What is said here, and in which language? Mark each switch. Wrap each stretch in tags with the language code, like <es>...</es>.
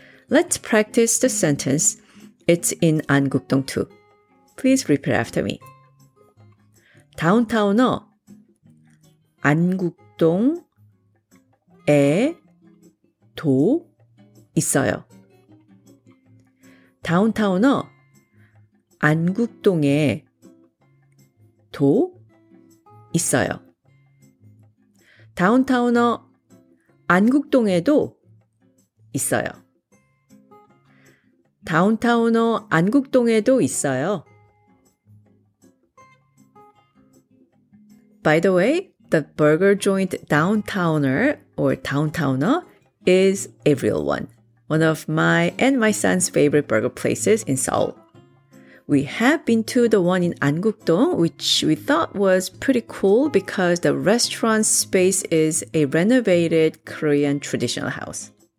<en>Let's practice the sentence, it's in 안국동 too. Please repeat after me.</en> <ko>다운타운어 안국동에 도 있어요. 다운타운어 안국동에 도 있어요. 다운타운어 안국동에도 있어요. 다운타운어 안국동에도 있어요.</ko> <en>By the way, the burger joint Downtowner or Downtowner is a real one. One of my and my son's favorite burger places in Seoul. We have been to the one in Angukdong, which we thought was pretty cool because the restaurant space is a renovated Korean traditional house.</en>